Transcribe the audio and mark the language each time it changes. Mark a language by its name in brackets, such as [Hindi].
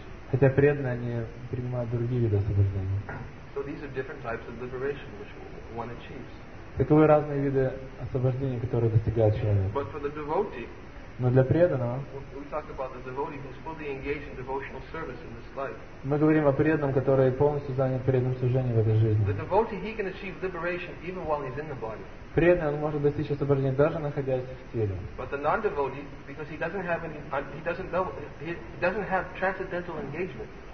[Russian] Хотя преданные они принимают другие виды освобождения. [English] So these are different types of liberation which one achieves. [Russian] Таковы разные виды освобождения, которые достигает человек. [English] But for the devotee, [Russian] но для преданного, [English] we talk about the devotee who's fully engaged in devotional service in this life. [Russian] Мы говорим о преданном, который полностью занят преданным служением в этой жизни. [English] The devotee, he can achieve liberation even while he's in the body. [Russian] Преданный, он может достичь освобождения даже находясь в теле. [English] But the non-devotee, because he doesn't have transcendental engagement.